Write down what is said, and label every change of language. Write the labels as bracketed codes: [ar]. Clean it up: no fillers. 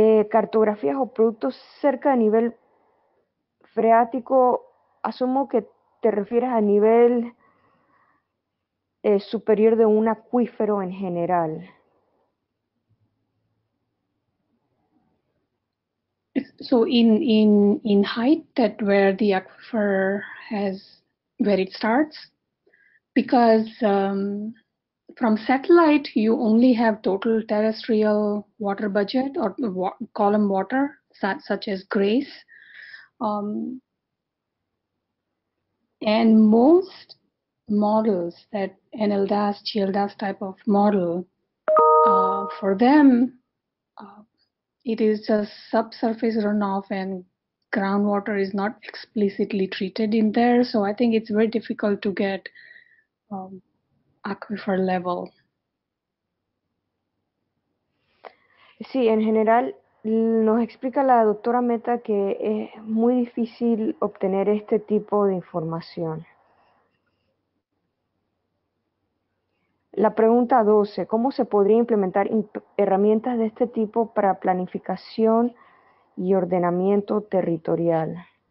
[es] Cartografías o productos cerca de nivel freático, asumo que te refieres a nivel superior de un acuífero en general. [en] So in height, that where the aquifer has, where it starts, because from satellite, you only have total terrestrial water budget or column water, such as GRACE. And most models, that NLDAS, GLDAS type of model, for them, it is a subsurface runoff and groundwater is not explicitly treated in there. So I think it's very difficult to get aquifer level. [es] Sí, en general nos explica la doctora Meta que es muy difícil obtener este tipo de información. La pregunta 12, ¿cómo se podría implementar herramientas de este tipo para planificación y ordenamiento territorial?